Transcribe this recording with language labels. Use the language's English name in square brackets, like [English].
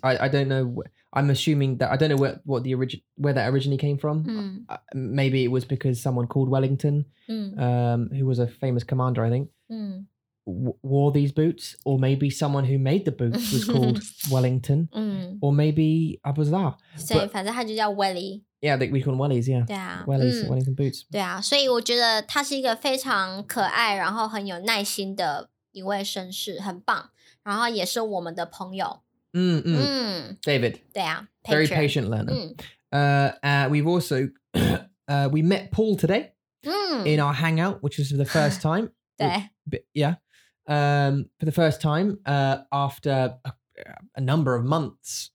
[English] I don't know, I'm assuming that, I don't know where that originally came from. Maybe it was because someone called Wellington, who was a famous commander, I think, wore these boots, or maybe someone who made the boots was called Wellington, or maybe Abu Zar. [Chinese] So, 反正他就叫 Welly. [English] Yeah, we call them Wellies, yeah. [Chinese] 对啊, [English] Wellies, Wellington boots. [Chinese] 对啊, 所以我觉得他是一个非常可爱然后很有耐心的一位绅士，很棒，然后也是我们的朋友。 [English] David. [Chinese] 对啊, [English] very patient learner. We've also we met Paul today in our hangout, which was for the first time. [Chinese] 对, [English] yeah, for the first time after a number of months.